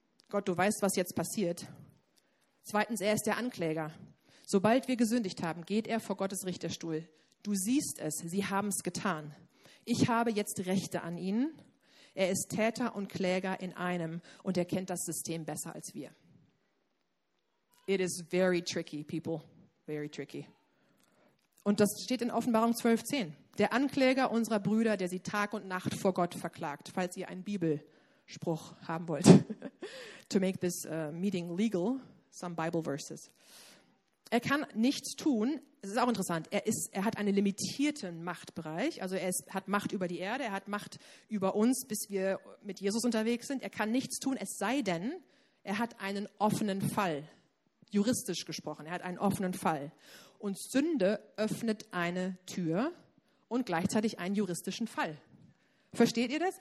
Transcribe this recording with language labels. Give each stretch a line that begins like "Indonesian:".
German: Gott, du weißt, was jetzt passiert. Zweitens, er ist der Ankläger. Sobald wir gesündigt haben, geht er vor Gottes Richterstuhl. Du siehst es, sie haben es getan. Ich habe jetzt Rechte an ihnen. Er ist Täter und Kläger in einem und er kennt das System besser als wir.
English: It is very tricky, people. Very tricky.
German: Und das steht in Offenbarung 12,10. Der Ankläger unserer Brüder, der sie Tag und Nacht vor Gott verklagt, falls ihr einen Bibelspruch haben wollt.
English: To make this meeting legal, some Bible verses.
German: Er kann nichts tun. Es ist auch interessant. Er hat einen limitierten Machtbereich. Also hat Macht über die Erde. Er hat Macht über uns, bis wir mit Jesus unterwegs sind. Er kann nichts tun, es sei denn, er hat einen offenen Fall. Juristisch gesprochen. Er hat einen offenen Fall. Und Sünde öffnet eine Tür und gleichzeitig einen juristischen Fall. Versteht ihr das?